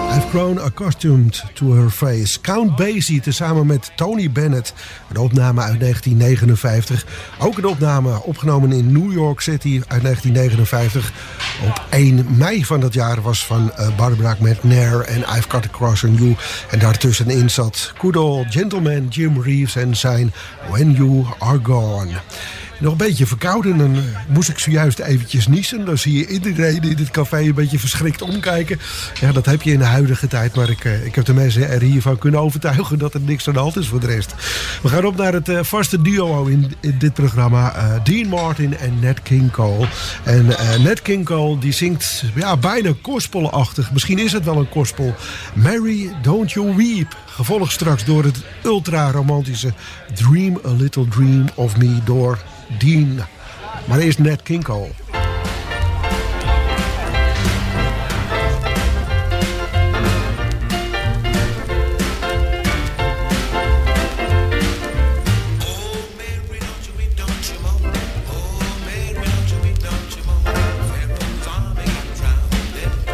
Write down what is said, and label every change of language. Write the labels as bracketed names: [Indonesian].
[English] grown accustomed to her face. [Dutch] Count Basie tezamen met Tony Bennett. Een opname uit 1959. Ook een opname opgenomen in New York City uit 1959. Op 1 mei van dat jaar was van Barbara McNair en I've Cut Across on You. En daartussenin zat good old gentleman Jim Reeves en zijn When You Are Gone. Nog een beetje verkouden en dan moest ik zojuist eventjes niezen. Dan zie je iedereen in dit café een beetje verschrikt omkijken. Ja, dat heb je in de huidige tijd, maar ik heb de mensen er hiervan kunnen overtuigen dat er niks aan de hand is voor de rest. We gaan op naar het vaste duo in dit programma. Dean Martin en Nat King Cole. En Nat King Cole die zingt ja, bijna gospelachtig. Misschien is het wel een gospel. Mary, don't you weep. Gevolgd straks door het ultra romantische Dream a Little Dream of Me door Dean. Maar eerst Nat King Cole. [English] Oh, Mary, don't you weep, don't you mourn. Heroes army have grounded.